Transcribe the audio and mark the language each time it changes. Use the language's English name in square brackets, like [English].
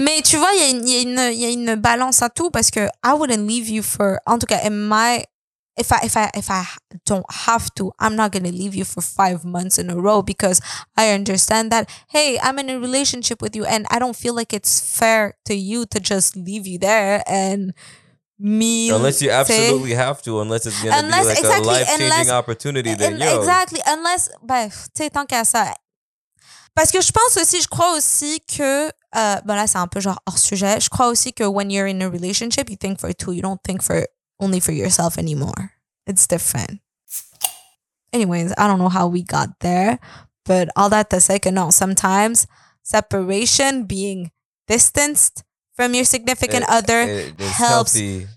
[French] Mais tu vois, il y a une balance à tout parce que [English] I wouldn't leave you for, [French] en tout cas, [English] if I don't have to, I'm not gonna leave you for 5 months in a row because I understand that, hey, I'm in a relationship with you, and I don't feel like it's fair to you to just leave you there and. Me, unless you absolutely say, have to, unless it's gonna unless, be like exactly, a life changing opportunity, then yo. Exactly, unless, [French] bref, tu sais, tant qu'à ça. Parce que je pense aussi, je crois aussi que, ben là, c'est un peu genre hors sujet. Je crois aussi que [English] when you're in a relationship, you think for two, you don't think for only for yourself anymore. It's different. Anyways, I don't know how we got there, but all that to say, no, sometimes separation, being distanced from your significant other helps healthy.